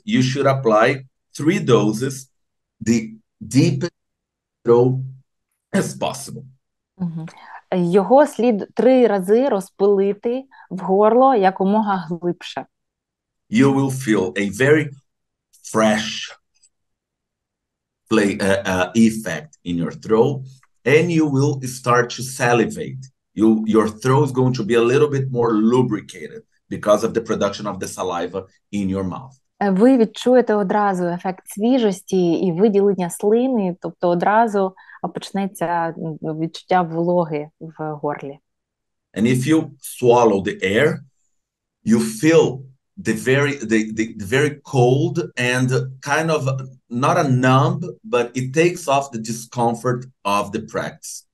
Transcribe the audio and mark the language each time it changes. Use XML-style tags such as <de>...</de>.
<en>You should apply three doses, the deepest throat as possible.</en> <uk>Його слід три рази розпилити в горло якомога глибше.</uk> <en>You will feel a very fresh effect in your throat, and you will start to salivate. Your throat is going to be a little bit more lubricated because of the production of the saliva in your mouth.</en> <uk>Ви відчуєте одразу ефект свіжості і виділення слини, тобто одразу почнеться відчуття вологи в горлі.</uk> <en>And if you swallow the air, you feel the very cold and kind of not a numb, but it takes off the discomfort of the practice.</en>